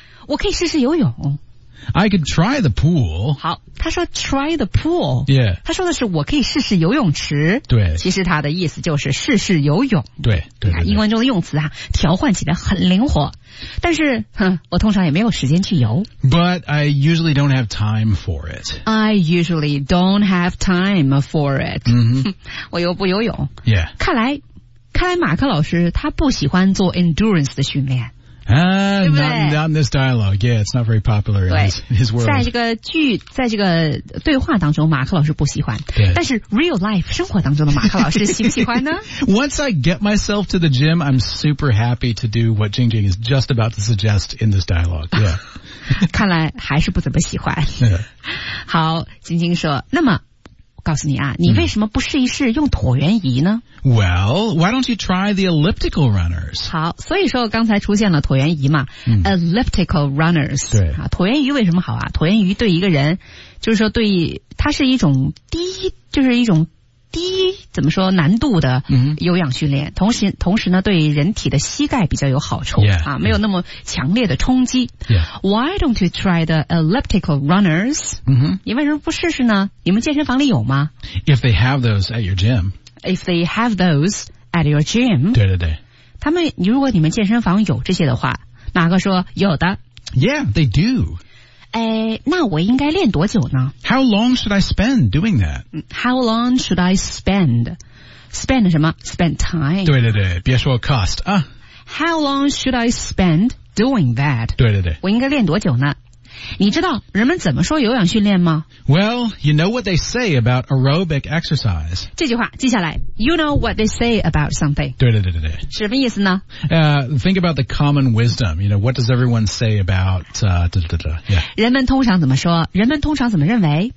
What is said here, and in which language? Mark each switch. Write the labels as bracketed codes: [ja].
[zh] 我可以试试游泳。 [en] I could try the pool. [zh] 好，他说 [en] try the pool. Yeah. [zh] 他说的是我可以试试游泳池。对。其实他的意思就是试试游泳。对对对。英文中的用词啊，调换起来很灵活。但是，哼，我通常也没有时间去游。 [en] But I usually don't have time for it. I usually don't have time for it. Mm-hmm. [zh] 我又不游泳。 [en] Yeah. [zh] 看来马克老师他不喜欢做 endurance 的训练。 [en] Not in this dialogue. Yeah, it's not very popular in his world. [zh] 在这个对话当中马克老师不喜欢。对。但是 [en] real life, [zh] 生活当中的马克老师喜不喜欢呢？ [en] Once I get myself to the gym, I'm super happy to do what Jing Jing is just about to suggest in this dialogue. Yeah. [zh] 看来还是不怎么喜欢。 [en] Yeah. [zh] 好，晶晶说，那么告诉你啊，你为什么不试一试用椭圆仪呢？ [en] Well, why don't you try the elliptical runners? [zh] 好，所以说刚才出现了椭圆仪嘛、 [en] elliptical runners. [zh] 对、啊、椭圆仪为什么好啊？椭圆仪对一个人，就是说对，它是一种低，就是一种低，怎么说，难度的有氧训练。嗯、同时呢，对人体的膝盖比较有好处 [en] yeah, [zh] 啊，没有那么强烈的冲击。 [en] Yeah. Why don't you try the elliptical runners?、 Mm-hmm. [zh] 你为什么不试试呢？你们健身房里有吗 [en] ？If they have those at your gym. If they have those at your gym. [zh] 对对对。他们如果你们健身房有这些的话，马哥说有的。 [en] Yeah, they do. [zh] 哎，那我应该练多久呢？ [en] How long should I spend doing that? How long should I spend? Spend [zh] 什么？ [en] Spend time. [zh] 对对对，别说 cost 啊。 [en] How long should I spend doing that? [zh] 对对对。我应该练多久呢？你知道人们怎么说有氧训练吗？ [en] Well, you know what they say about aerobic exercise. [zh] 这句话记下来。 [en] You know what they say about something. [zh] 对对对对对。什么意思呢？ [en] Think about the common wisdom. You know, what does everyone say about... [zh] 人们通常怎么说？人们通常怎么认为？